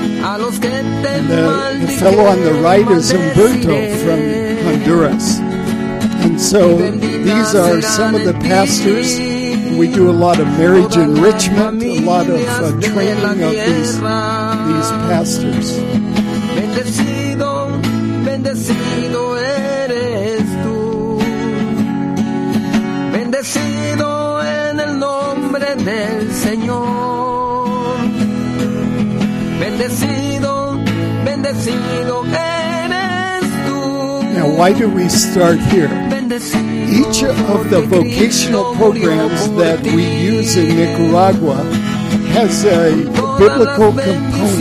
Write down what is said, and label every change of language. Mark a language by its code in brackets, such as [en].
[en] And the fellow on the right is Humberto from Honduras. And so these are some of the pastors. We do a lot of marriage enrichment, a lot of training of these pastors. [es] Bendecido, bendecido eres tú. Bendecido en el nombre del Señor. Bendecido, bendecido eres tú. [en] Now, why do we start here? Each of the vocational programs that we use in Nicaragua has a biblical component.